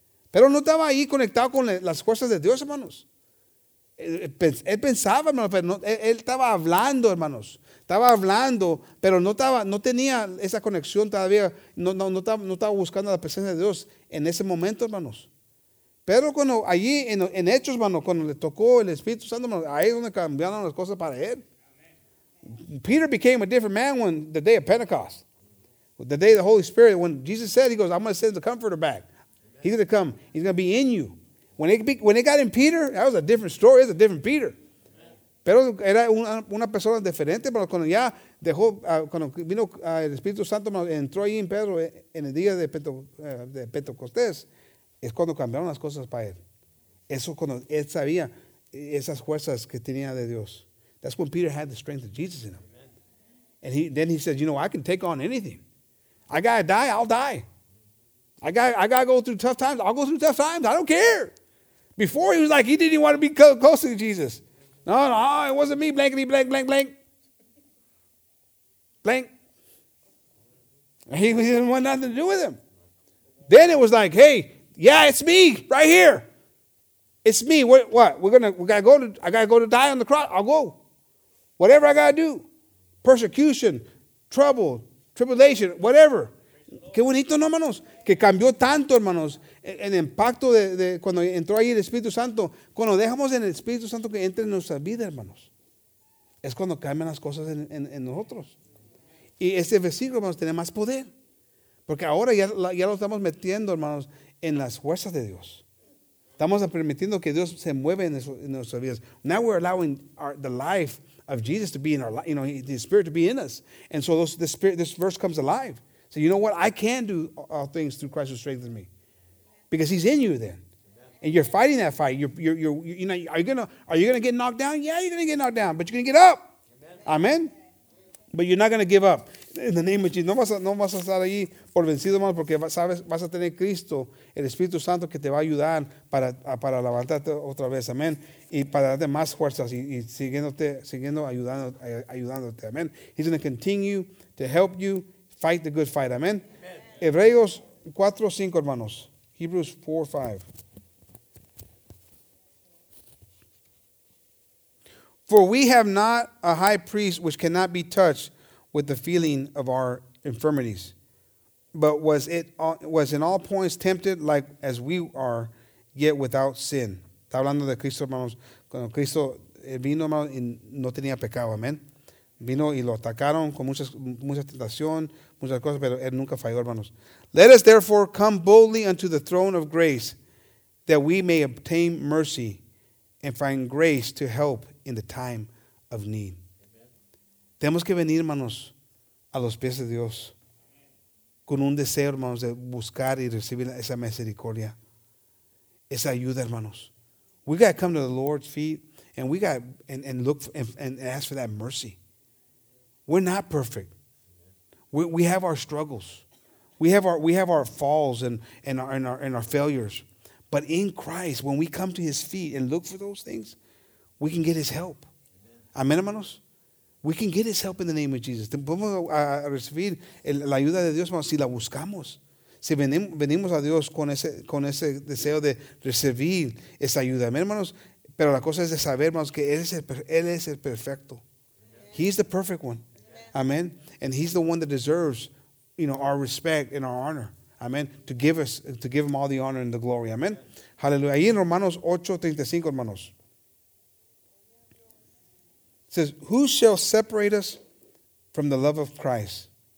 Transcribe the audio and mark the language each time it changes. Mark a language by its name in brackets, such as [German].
[Spanish] Pero no estaba ahí conectado con las fuerzas de Dios, hermanos. Él pensaba, hermanos, pero no, él estaba hablando, hermanos. Estaba hablando, pero no tenía esa conexión todavía. No estaba buscando la presencia de Dios en ese momento, hermanos. Pero cuando allí, en Hechos, hermanos, cuando le tocó el Espíritu Santo, hermanos, ahí es donde cambiaron las cosas para él. [English] Peter became a different man when the day of Pentecost. The day of the Holy Spirit, when Jesus said, he goes, I'm going to send the Comforter back. Amen. He's going to come. He's going to be in you. When it got in Peter, that was a different story. It was a different Peter. [Spanish] Pero era una persona diferente, pero cuando ya dejó, cuando vino el Espíritu Santo, entró ahí en Pedro en el día de Pentecostés, es cuando cambiaron las cosas para él. Eso cuando él sabía esas fuerzas que tenía de Dios. [English] That's when Peter had the strength of Jesus in him. And then he said, you know, I can take on anything. I got to die, I'll die. I got to go through tough times, I'll go through tough times. I don't care. Before he was like, he didn't want to be close to Jesus. No, it wasn't me, blankety, blank, blank, blank. Blank. And he didn't want nothing to do with him. Then it was like, hey, yeah, it's me right here. It's me. What? I gotta go to die on the cross. I'll go. Whatever I gotta do. Persecution, trouble, tribulation, whatever. [Spanish] Qué bonito, no, hermanos. Que cambió tanto, hermanos. El impacto de cuando entró ahí el Espíritu Santo. Cuando dejamos en el Espíritu Santo que entre en nuestra vida, hermanos. Es cuando cambian las cosas en nosotros. Y este versículo, hermanos, tiene más poder. Porque ahora ya lo estamos metiendo, hermanos, en las fuerzas de Dios. Estamos permitiendo que Dios se mueva en nuestras vidas. [English] Now we're allowing the life of Jesus to be in our life. You know, the Spirit to be in us. And so this verse comes alive. So you know what? I can do all things through Christ who strengthens me, because He's in you then, and you're fighting that fight. Are you gonna get knocked down? Yeah, you're gonna get knocked down, but you're gonna get up. Amen. But you're not gonna give up. In the name of Jesus, [Spanish] no vas a estar ahí por vencido, hermano, porque vas a tener Cristo, el Espíritu Santo, que te va a ayudar para levantarte otra vez. Amen. Y para darte más fuerzas y siguiendo ayudándote. [English] Amen. He's gonna continue to help you. Fight the good fight. Amen. [Spanish] Hebreos 4:5, hermanos. Hebrews 4:5. [English] For we have not a high priest which cannot be touched with the feeling of our infirmities, but was in all points tempted like as we are, yet without sin. [Spanish] Está hablando de Cristo, hermanos. Cuando Cristo vino, hermanos, y no tenía pecado. Amen. Vino y lo atacaron con mucha tentación, muchas cosas, pero él nunca falló, hermanos. [English] Let us therefore come boldly unto the throne of grace, that we may obtain mercy and find grace to help in the time of need. [Spanish] Tenemos que venir, hermanos, a los pies de Dios con un deseo, hermanos, de buscar y recibir esa misericordia, esa ayuda, hermanos. [English] We got to come to the Lord's feet and we got and look for, and ask for that mercy. We're not perfect. We have our struggles. We have our falls and our failures. But in Christ, when we come to his feet and look for those things, we can get his help. Amen, hermanos. We can get his help in the name of Jesus. [Spanish] Podemos recibir la ayuda de Dios si la buscamos. Si venimos a Dios con ese deseo de recibir esa ayuda. Amén, hermanos. Pero la cosa es de saber, hermanos, que Él es el perfecto. [English] He is the perfect one. Amén. And he's the one that deserves, you know, our respect and our honor. Amén. To give him all the honor and the glory. Amén. Aleluya. [Spanish] Ahí en Romanos 8:35, hermanos. [English] It says, who shall separate us from the love of Christ?